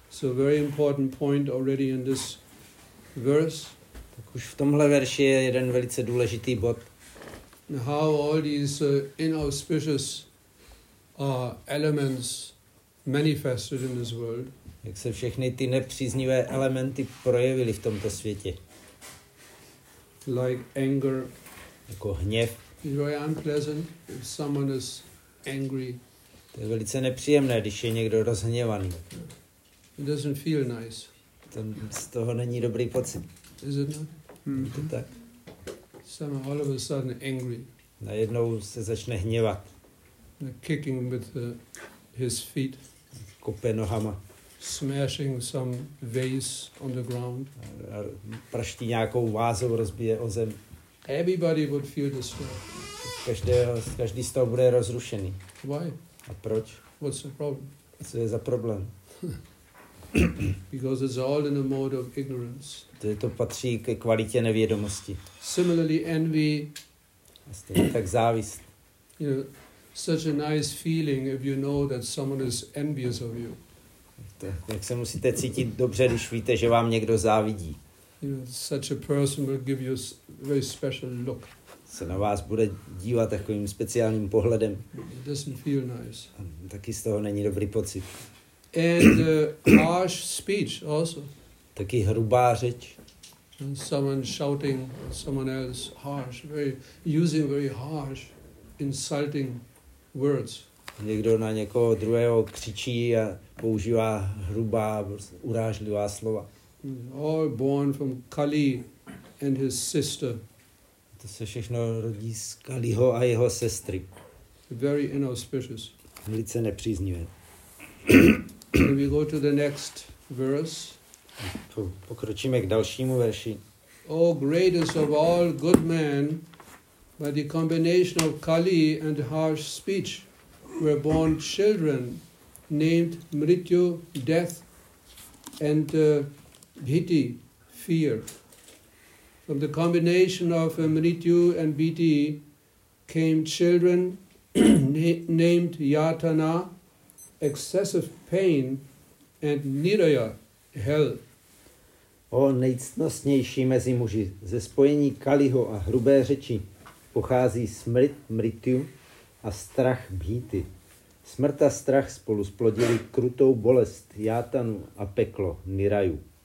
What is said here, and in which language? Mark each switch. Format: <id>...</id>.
<en>So very important point already in this verse.</en> <cs>Tak už v tomhle verši je jeden velice důležitý bod.</cs> <en>How all these inauspicious elements manifested in this world.</en> <cs>Jak se všechny ty nepříznivé elementy projevily v tomto světě.</cs> <en>Like anger,</en> <cs>jako hněv.</cs> <en>It's very unpleasant if someone is angry.</en> <cs>To je velice nepříjemné, když je někdo rozhněvaný.</cs> <en>It doesn't feel nice.</en> <cs>To z toho není dobrý pocit.</cs> <en>Is it not?</en> <cs>To tak.</cs> <en>Some all of a sudden angry.</en> <cs>Najednou se začne hněvat.</cs> <en>Kicking with his feet.</en> <cs>Kope nohama.</cs> <en>Smashing some vase on the ground.</en> <cs>Praští nějakou vázu, rozbije o zem.</cs> <en>Everybody would feel this way.</en> <cs>Každý z toho bude rozrušený.</cs> <en>Why?</en> <cs>A proč?</cs> <en>What's the problem?</en> <cs>Co je za problém?</cs> <en>Because it's all in a mode of ignorance.</en> <cs>To patří ke kvalitě nevědomosti.</cs> <en>Similarly, envy.</en> <cs>Stejně tak závist.</cs> <en>You know, such a nice feeling if you know that someone is envious of you.</en> <cs>Jak se musíte cítit dobře, když víte, že vám někdo závidí.</cs> <en>Such a person will give you a very special look.</en> <cs>Se na vás bude dívat takovým speciálním pohledem.</cs> <en>It doesn't feel nice.</en> <cs>Taky z toho není dobrý pocit.</cs> <en>And harsh speech also.</en> <cs>Taky hrubá řeč.</cs> <en>And someone shouting someone else harsh, using very harsh, insulting words.</en> <cs>Někdo na někoho druhého křičí a používá hrubá, urážlivá slova.</cs> <en>All born from Kali and his sister.</en> <cs>To se všechno rodí z Kaliho a jeho sestry.</cs> <en>Very inauspicious.</en> <cs>Velice nepříznivé.</cs> <en>Then we go to the next verse.</en> <cs>Pokročíme k dalšímu verši.</cs> <en>O greatest of all good men, by the combination of Kali and harsh speech, were born children named Mrityu, death, and Bhiti, fear. From the combination of Mrityu and Bhiti came children named Yatana, excessive pain, and Niraya, hell.</en> <cs>O nejctnostnější mezi muži, ze spojení Kaliho a hrubé řeči pochází smrt Mrityu a strach Bhiti. Smrt a strach spolu splodili krutou bolest, játanu a peklo, niraju.</cs>